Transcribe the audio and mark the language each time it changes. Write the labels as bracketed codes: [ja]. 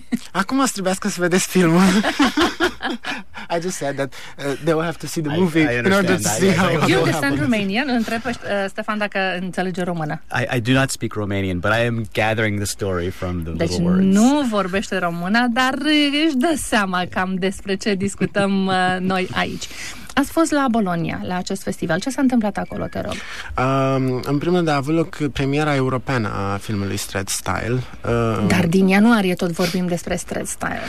[ro] Acum o să trebuiască să vedeți filmul. [en] I just said that they will have to see the movie in order to see how you understand Romanian? [ro] Întreb Stefan dacă înțelege română. [en] I do not speak Romanian, but I am gathering the story from the [ro] deci [en] little words. [ro] Deci nu vorbește română, dar își dă seama cam despre ce discutăm noi aici. Ați fost la Bologna, la acest festival. Ce s-a întâmplat acolo, te rog? În primul rând, a avut loc premiera europeană a filmului Street Style. Dar din ianuarie tot vorbim despre Street Style.